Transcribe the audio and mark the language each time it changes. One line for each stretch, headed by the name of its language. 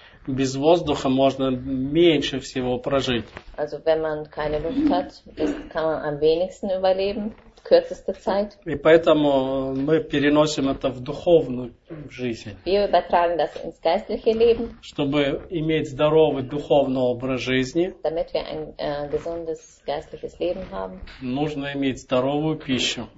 Russian: Без воздуха можно меньше всего прожить.
German: Also wenn man keine Luft hat, kann man am wenigsten überleben, kürzeste Zeit.
Russian: И поэтому мы переносим это в духовную жизнь.
German: Wir übertragen das ins geistliche Leben.
Russian: Чтобы иметь здоровый духовный образ жизни.
German: Damit wir ein gesundes geistliches Leben haben.
Russian: Нужно иметь здоровую пищу.